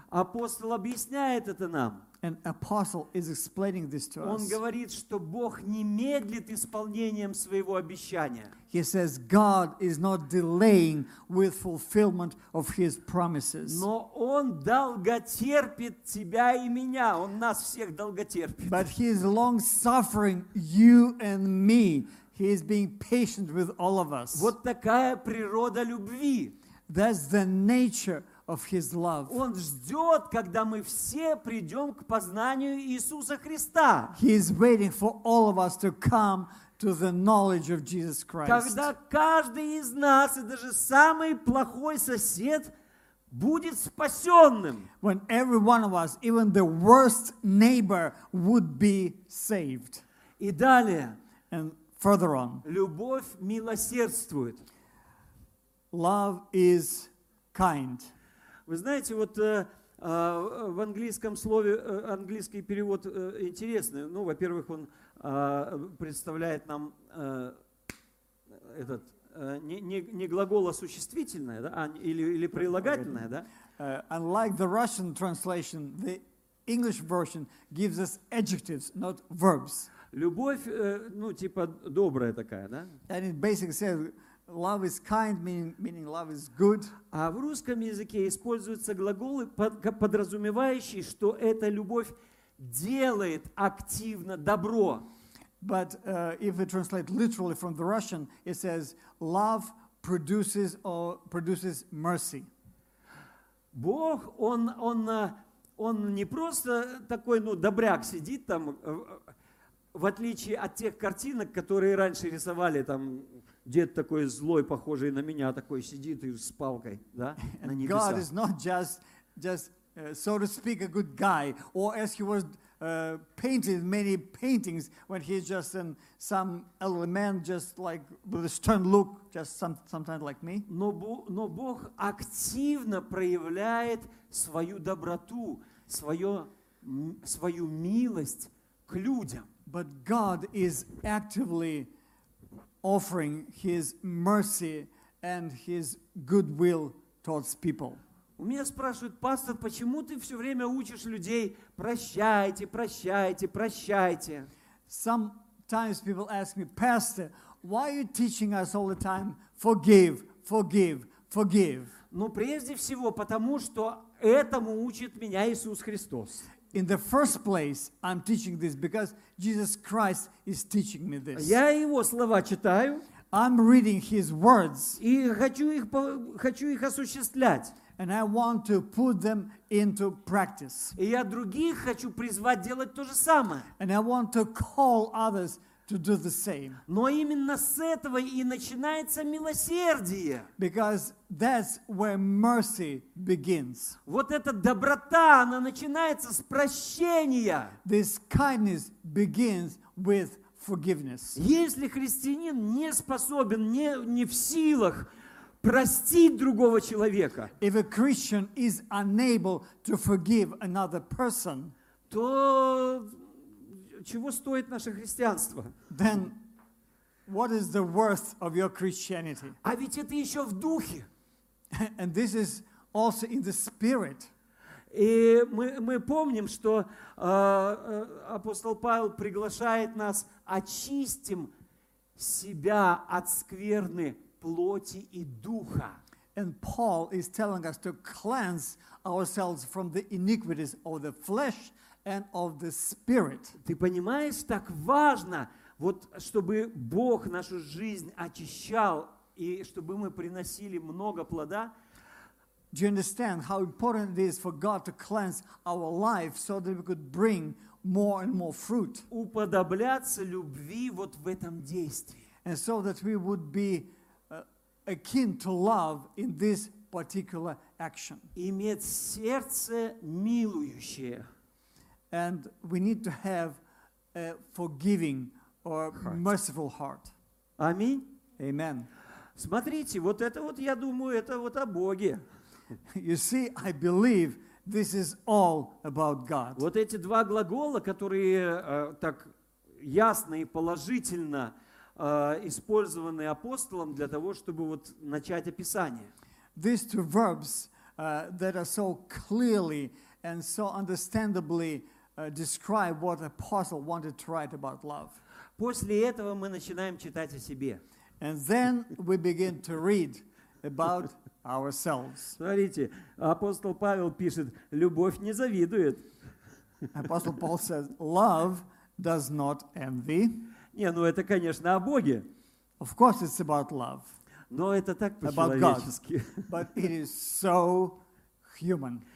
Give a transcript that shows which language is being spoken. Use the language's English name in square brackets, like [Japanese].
[Russian] Апостол объясняет это нам. [English] An apostle is explaining this to us. [Russian] Он говорит, что Бог не медлит исполнением своего обещания. [English] He says God is not delaying with fulfillment of His promises. [Russian] Но Он долготерпит тебя и меня. Он нас всех долготерпит. [English] But He is long suffering you and me. He is being patient with all of us. [Russian] Вот такая природа любви. [English] That's the nature of His love. [Russian] Он ждет, когда мы все придем к познанию Иисуса Христа. [English] He is waiting for all of us to come to the knowledge of Jesus Christ. [Russian] Когда каждый из нас и даже самый плохой сосед будет спасенным. [English] When every one of us, even the worst neighbor, would be saved. [Russian] И далее. [English] And further on. [Russian] Любовь милосердствует. [English] Love is kind. [Russian] Вы знаете, вот в английском слове, английский перевод интересный. Ну, во-первых, он представляет нам этот не глагол, а существительное, да, или прилагательное, да? [English] Unlike the Russian translation, the English version gives us adjectives, not verbs. [Russian] Любовь, ну, типа, добрая такая, да? [English] And it basically says, love is kind, meaning love is good. [Russian] А в русском языке используются глаголы, подразумевающие, что эта любовь делает активно добро. [English] But if we translate literally from the Russian, it says love produces or produces mercy. [Russian] Бог, он не просто такой, ну, добряк сидит там, в отличие от тех картинок, которые раньше рисовали там. Дед такой злой, похожий на меня, такой сидит и с палкой, да, на небесах. [English] God is not just so to speak, a good guy, or as he was painted in many paintings, when he's just in some element, just like with a stern look, just sometimes like me. [Russian] Но Бог активно проявляет свою доброту, свою милость к людям. [English] But God is actively offering His mercy and His goodwill towards people. [Russian] У меня спрашивают, пастор, почему ты все время учишь людей прощайте, прощайте, прощайте? [English] Sometimes people ask me, pastor, why are you teaching us all the time forgive, forgive, forgive? [Russian] Но прежде всего, потому что этому учит меня Иисус Христос. [English] In the first place, I'm teaching this because Jesus Christ is teaching me this. [Russian] Я его слова читаю. [English] I'm reading His words. [Russian] И хочу их осуществлять. [English] And I want to put them into practice. [Russian] И я других хочу призвать делать то же самое. [English] And I want to call others to do the same. [Russian] Но именно с этого и начинается милосердие. [English] Because that's where mercy begins. [Russian] Вот эта доброта, она начинается с прощения. [English] This kindness begins with forgiveness. [Russian] Если христианин не способен, не в силах простить другого человека, [English] if a Christian is unable to forgive another person, [Russian] то чего стоит наше христианство? [English] Then, what is the worth of your Christianity? [Russian] А ведь это еще в духе. [English] And this is also in the spirit. [Russian] И мы помним, что апостол Павел приглашает нас: очистим себя от скверны плоти и духа. [English] And Paul is telling us to cleanse ourselves from the iniquities of the flesh and of the spirit. [Russian] Ты понимаешь, так важно, вот, чтобы Бог нашу жизнь очищал и чтобы мы приносили много плода. [English] Do you understand how important it is for God to cleanse our life so that we could bring more and more fruit? [Russian] Уподобляться любви вот в этом действии. [English] And so that we would be akin to love in this particular action. [Russian] Иметь сердце милующее. [English] And we need to have a forgiving or heart. Merciful heart. [Russian] Аминь. [English] Amen. [Russian] Смотрите, вот это вот, я думаю, это вот о Боге. [English] You see, I believe this is all about God. [Russian] Вот эти два глагола, которые так ясно и положительно использованы апостолом для того, чтобы вот начать описание. [English] These two verbs that are so clearly and so understandably describe what apostle wanted to write about love. [Russian] После этого мы начинаем читать о себе. [English] And then we begin to read about ourselves. [Russian] Смотрите, апостол Павел пишет: любовь не завидует. [English] Apostle Paul says, love does not envy. [Russian] Не, ну это, конечно, о Боге. [English] Of course it's about love. [Russian] Но это так по-человечески. [English] But it is so human.